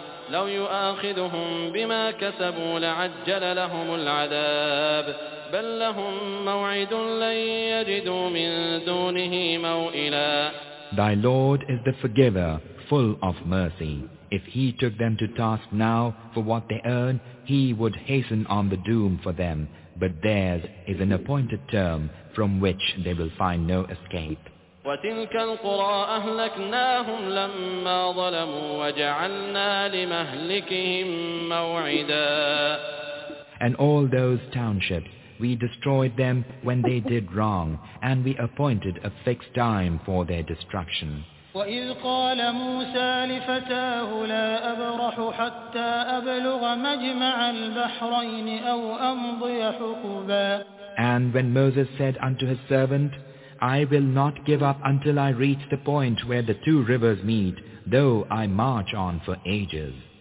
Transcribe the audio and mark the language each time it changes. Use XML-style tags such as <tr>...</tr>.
<ar>لو يؤاخذهم بما كسبوا لعجل لهم العذاب بل لهم موعد لن يجدوا من دونه موئلا.</ar> <en>Thy Lord is the forgiver, full of mercy. If he took them to task now for what they earn, he would hasten on the doom for them. But theirs is an appointed term from which they will find no escape.</en> <ar>وتلك القرى أهلكناهم لما ظلموا وجعلنا لمهلكهم موعدا.</ar> <en>And all those townships, we destroyed them when they did wrong, and we appointed a fixed time for their destruction.</en> <ar>وإذ قال موسى لفتاه لا أبرح حتى أبلغ مجمع البحرين أو أمضي حقبا.</ar> <en>And when Moses said unto his servant, I will not give up until I reach the point where the two rivers meet, though I march on for ages.</en>